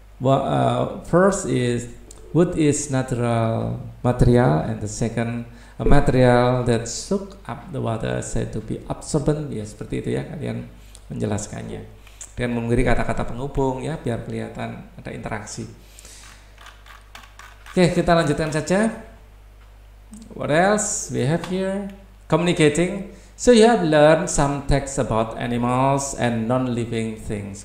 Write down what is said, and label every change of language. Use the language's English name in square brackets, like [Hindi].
[English] Well, first is wood is natural material, and the second a material that soak up the water said to be absorbent. [Indonesian] Ya, seperti itu ya kalian menjelaskannya dengan memberi kata-kata penghubung ya biar kelihatan ada interaksi. Oke, kita lanjutkan saja. [English] What else we have here? Communicating. So you have learned some texts about animals and non-living things.